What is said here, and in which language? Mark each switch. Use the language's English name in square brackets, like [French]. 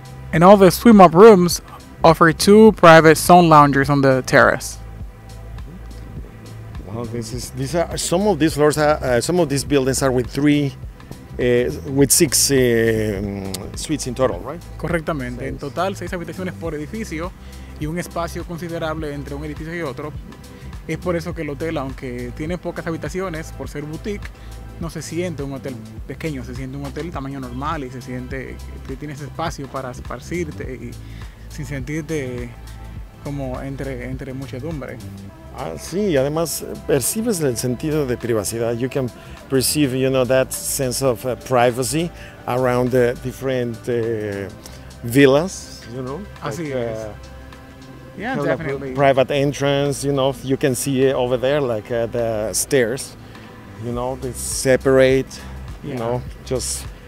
[English] And all the swim-up rooms offer two private sun loungers on the terrace. Well, some of these buildings are with six suites in total, right? [Spanish] Correctamente. En total, seis habitaciones por edificio y un espacio considerable entre un edificio y otro. Es por eso que el hotel, aunque tiene pocas habitaciones, por ser boutique, no se siente un hotel pequeño, se siente un hotel tamaño normal y se siente que tienes espacio para esparcirte y sin sentirte como entre muchedumbre. Ah, sí, además percibes el sentido de privacidad. [English] You can perceive, you know, that sense of privacy around the different villas, you know. [Spanish] Así [English] like, es. Yeah, you know, definitely. Private entrance, you know, you can see over there, like the stairs, you know, they separate, yeah. You know, just.